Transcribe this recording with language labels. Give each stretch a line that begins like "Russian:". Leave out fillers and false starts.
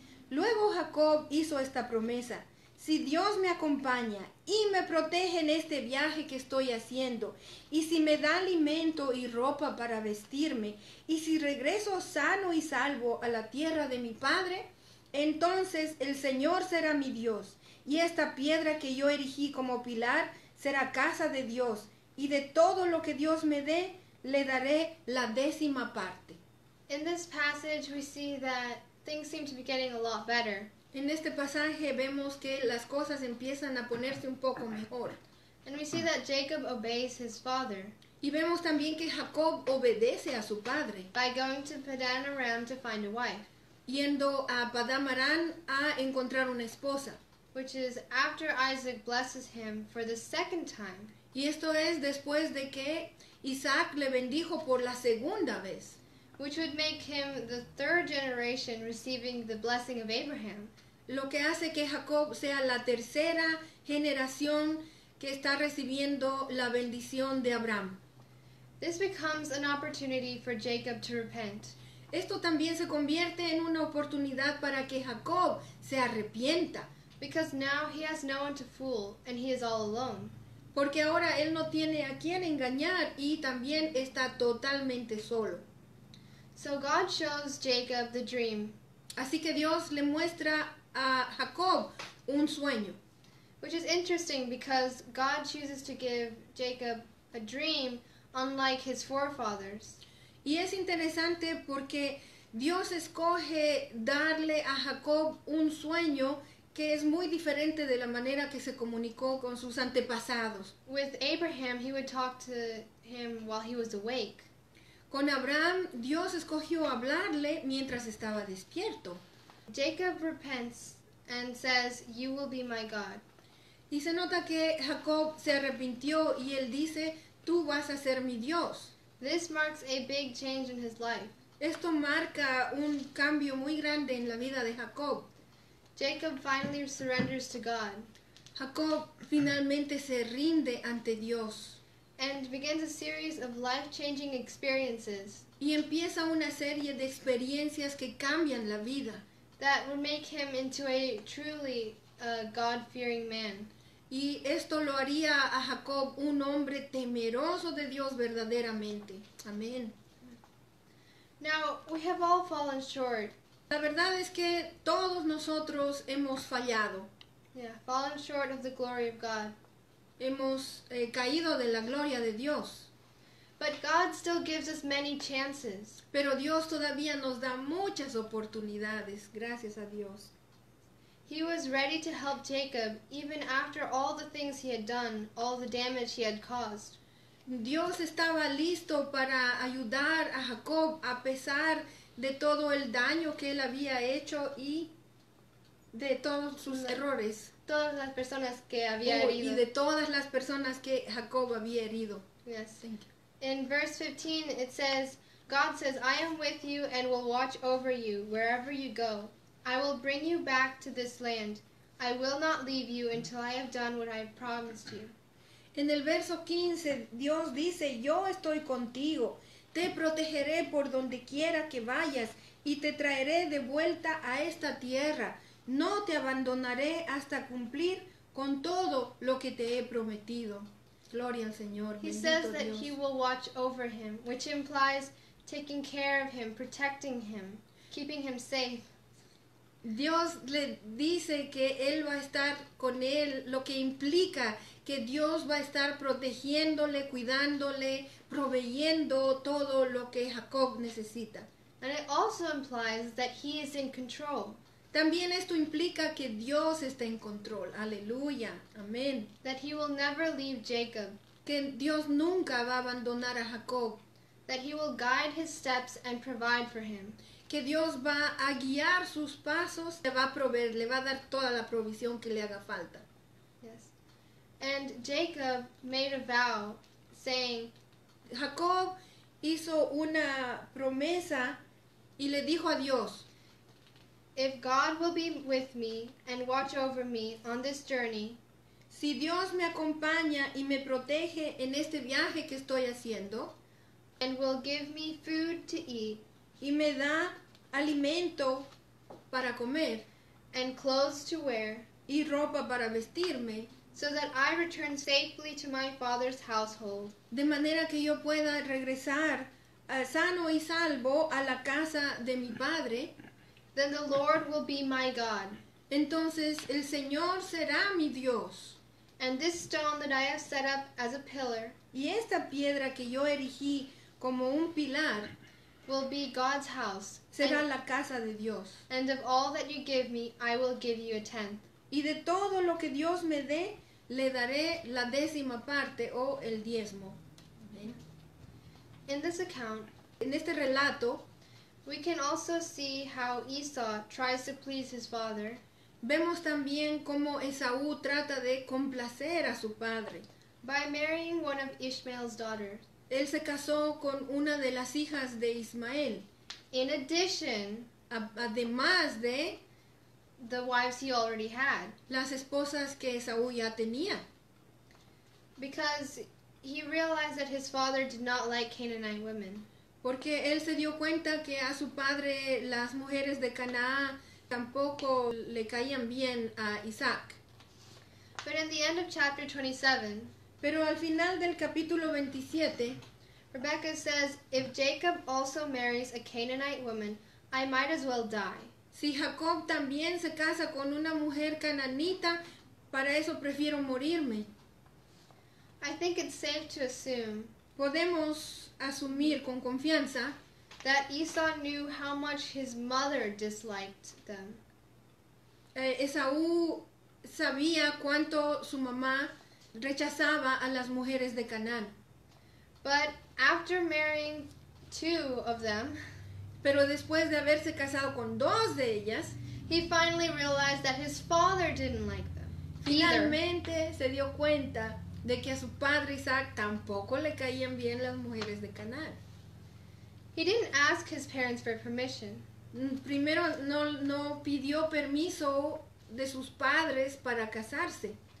Spanish: Luego Jacob hizo esta promesa: "Si Dios me acompaña y me protege en este viaje que estoy haciendo, y si me da alimento y ropa para vestirme, y si regreso sano y salvo a la tierra de mi padre, entonces el Señor será mi Dios, y esta piedra que yo erigí como pilar será casa de Dios, y de todo lo que Dios me dé, le daré la décima parte."
English: In this passage we see that things seem to be getting a lot better.
Spanish: En este pasaje vemos que las cosas empiezan a ponerse un poco mejor.
English: And we see that Jacob obeys his father.
Spanish: Y vemos también que Jacob obedece a su padre.
English: By going to Padan Aram to find a wife.
Spanish: Yendo a Padan Aram a encontrar una esposa.
English: Which is after Isaac blesses him for the second time.
Spanish: Y esto es después de que Isaac le bendijo por la segunda vez.
English: Which would make him the third generation receiving the blessing of Abraham.
Spanish: Lo que hace que Jacob sea la tercera generación que está recibiendo la bendición de Abraham.
English: This becomes an opportunity for Jacob to repent.
Spanish: Esto también se convierte en una oportunidad para que Jacob se arrepienta.
English: Because now he has no one to fool and he is all alone.
Spanish: Porque ahora él no tiene a quien engañar y también está totalmente solo.
English: So God shows Jacob the dream.
Spanish: Así que Dios le muestra a Jacob un sueño.
English: Which is interesting because God chooses to give Jacob a dream unlike his forefathers.
Spanish: Y es interesante porque Dios escoge darle a Jacob un sueño que es muy diferente de la manera que se comunicó con sus antepasados.
English: With Abraham, he would talk to him while he was awake.
Spanish: Con Abraham, Dios escogió hablarle mientras estaba despierto.
English: Jacob repents and says, "You will be my God."
Spanish: Y se nota que Jacob se arrepintió y él dice, "Tú vas a ser mi Dios."
English: This marks a big change in his life.
Spanish: Esto marca un cambio muy grande en la vida de Jacob.
English: Jacob finally surrenders to God.
Spanish: Jacob finalmente se rinde ante Dios.
English: And begins a series of life-changing experiences.
Spanish: Y empieza una serie de experiencias que cambian la vida.
English: That will make him into a truly God-fearing man.
Spanish: Y esto lo haría a Jacob un hombre temeroso de Dios verdaderamente. Amén.
English: Now, we have all fallen short.
Spanish: La verdad es que todos nosotros hemos fallado.
English: Yeah, fallen short of the glory of God.
Spanish: hemos caído de la gloria de Dios.
English: But God still gives us many chances.
Spanish: Pero Dios todavía nos da muchas oportunidades, gracias a Dios.
English: He was ready to help Jacob even after all the things he had done, all the damage he had caused.
Spanish: Dios estaba listo para ayudar a Jacob a pesar de todo el daño que él había hecho y de todos sus errores. Todas las personas que había herido. Y de todas las personas que Jacob había herido.
English: Yes. In verse 15 it says, God says, I am with you and will watch over you wherever you go. I will bring you back to this land. I will not leave you until I have done what I have promised you.
Spanish: En el verso 15, Dios dice, yo estoy contigo, te protegeré por donde quiera que vayas y te traeré de vuelta a esta tierra. No te abandonaré hasta cumplir con todo lo que te he prometido. Gloria al Señor.
English: He says that he will watch over him, which implies taking care of him, protecting him, keeping him safe.
Spanish: Dios le dice que él va a estar con él, lo que implica que Dios va a estar protegiéndole, cuidándole, proveyendo todo lo que Jacob necesita.
English: And it also implies that he is in control.
Spanish: También esto implica que Dios está en control. Aleluya. Amén.
English: That he will never leave Jacob.
Spanish: Que Dios nunca va a abandonar a Jacob.
English: That he will guide his steps and provide for him.
Spanish: Que Dios va a guiar sus pasos, le va a proveer, le va a dar toda la provisión que le haga falta.
English: Yes. And Jacob made a vow saying,
Spanish: Jacob hizo una promesa y le dijo a Dios,
English: if God will be with me and watch over me on this journey,
Spanish: si Dios me acompaña y me protege en este viaje que estoy haciendo,
English: and will give me food to eat,
Spanish: y me da alimento para comer,
English: and clothes to wear,
Spanish: y ropa para vestirme,
English: so that I return safely to my father's household,
Spanish: de manera que yo pueda regresar sano y salvo a la casa de mi padre,
English: then the Lord will be my God.
Spanish: Entonces el Señor será mi Dios.
English: And this stone that I have set up as a pillar,
Spanish: y esta piedra que yo erigí como un pilar,
English: will be God's house.
Spanish: Será la casa de Dios.
English: And of all that you give me, I will give you a tenth.
Spanish: Y de todo lo que Dios me dé, le daré la décima parte o el diezmo.
English: Amen. In this account,
Spanish: en este relato,
English: we can also see how Esau tries to please his father.
Spanish: Vemos también cómo Esaú trata de complacer a su padre.
English: By marrying one of Ishmael's daughters.
Spanish: Él se casó con una de las hijas de Ismael.
English: In addition,
Spanish: además de
English: the wives he already had.
Spanish: Las esposas que Esaú ya tenía.
English: Because he realized that his father did not like Canaanite women.
Spanish: Porque él se dio cuenta que a su padre las mujeres de Canaán tampoco le caían bien a Isaac.
English: But in the end of chapter 27,
Spanish: pero al final del capítulo 27,
English: Rebecca says, if Jacob also marries a Canaanite woman, I might as well die.
Spanish: Si Jacob también se casa con una mujer cananita, para eso prefiero morirme.
English: I think it's safe to assume,
Spanish: podemos asumir con confianza,
English: that Esau knew how much his mother disliked them.
Spanish: Esaú sabía cuánto su mamá rechazaba a las mujeres de Canaán.
English: But after marrying two of them,
Spanish: pero después de haberse casado con dos de ellas,
English: he finally realized that his father didn't like them.
Spanish: Finalmente se dio cuenta de que a su padre Isaac tampoco le caían bien las mujeres de Canaán.
English: He didn't ask his parents for permission.
Spanish: Primero no pidió permiso de sus padres para casarse.